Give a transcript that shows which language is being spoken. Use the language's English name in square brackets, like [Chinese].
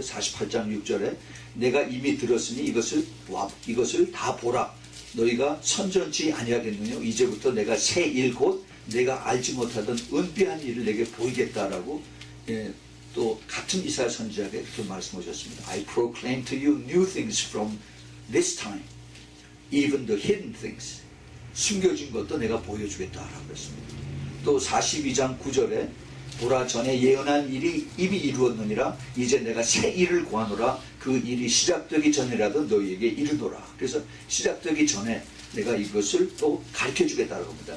[Korean] 48장 6절에 내가 이미 들었으니 이것을 다 보라. 너희가 선전치 아니하겠느냐? 이제부터 내가 새 일 곧 내가 알지 못하던 은비한 일을 내게 보이겠다라고 또 같은 이사야 선지자에게 그렇게 말씀하셨습니다. [English] I proclaim to you new things from this time, even the hidden things. [Korean] 숨겨진 것도 내가 보여주겠다라고 했습니다. 또 42장 9절에 보라, 전에 예언한 일이 이미 이루었느니라. 이제 내가 새 일을 구하노라. 그 일이 시작되기 전이라도 너희에게 이르노라. 그래서 시작되기 전에 내가 이것을 또 가르쳐주겠다라고 합니다.